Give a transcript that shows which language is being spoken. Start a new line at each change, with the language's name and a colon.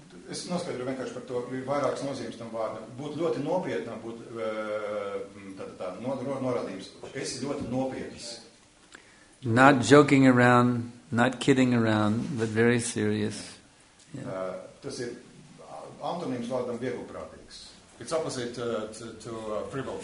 Latvian: Es noskaidroju vienkārši par to, ir vairākas nozīmes tam vārdam. Būt ļoti nopietnam, būt norādījums. Es ļoti nopietnis.
English: Not joking around, not kidding around, but very serious.
Latvian: Tas ir antonīms vārdam vieglprātīgs.
English: It's opposite to frivolous.